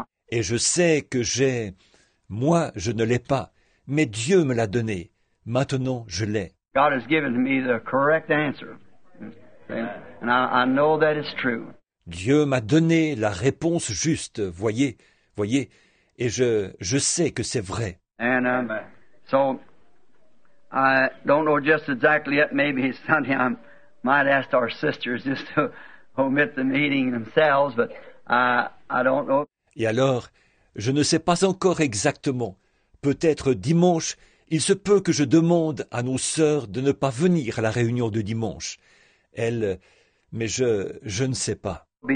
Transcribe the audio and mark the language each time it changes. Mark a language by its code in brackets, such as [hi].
[fr] Et je sais que j'ai... Moi, je ne l'ai pas, mais Dieu me l'a donné. Maintenant, je l'ai. [en] God has given me the correct answer. And I know that it's true. [fr] Dieu m'a donné la réponse juste, voyez, et je sais que c'est vrai. [en] And so I don't know just exactly yet. Maybe Sunday I might ask our sisters just to omit the meeting themselves, but I don't know. [fr] Et alors, je ne sais pas encore exactement. Peut-être dimanche, il se peut que je demande à nos sœurs de ne pas venir à la réunion de dimanche. Elles, mais je ne sais pas.